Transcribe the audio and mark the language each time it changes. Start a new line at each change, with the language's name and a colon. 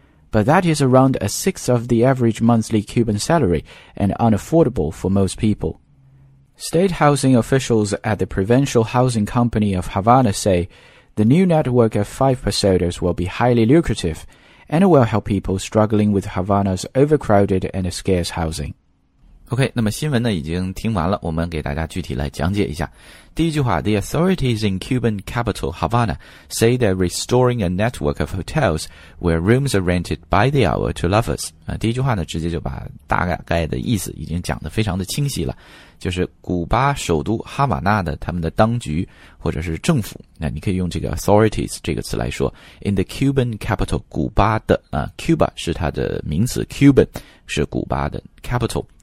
English: But that is around a sixth of the average monthly Cuban salary and unaffordable for most people. State housing officials at the Provincial Housing Company of Havana say the new network of 5 posadas will be highly lucrative and will help people struggling with Havana's overcrowded and scarce housing. OK,
Chinese: 那么新闻呢已经听完了，我们给大家具体来讲解一下。第一句话
English: ,The authorities in Cuban capital Havana say they're restoring a network of hotels where rooms are rented by the hour to lovers.
Chinese: 第一句话呢直接就把大概的意思已经讲得非常的清晰了。就是古巴首都哈瓦那的他们的当局或者是政府，那你可以用这个 authorities 这个词来说 ,
English: in the Cuban capital,
Chinese: 古巴的 ,Cuba 是它的名词 ,Cuban 是古巴的 capital。